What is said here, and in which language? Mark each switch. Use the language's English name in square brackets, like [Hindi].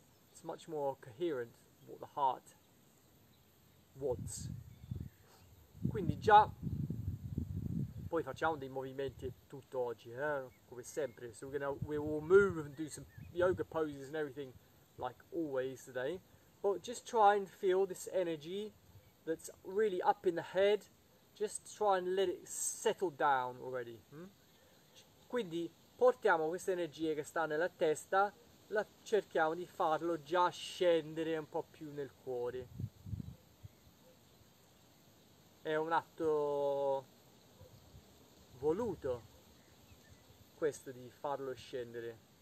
[English] It's much more coherent what the heart wants. [Italian] Quindi già. Poi facciamo dei movimenti tutto oggi, come sempre. [English] So we will move and do some yoga poses and everything like always today. But just try and feel this energy that's really up in the head. Just try and let it settle down already. [Italian] Quindi portiamo questa energia che sta nella testa, la cerchiamo di farlo già scendere un po' più nel cuore. È un atto voluto questo di farlo scendere.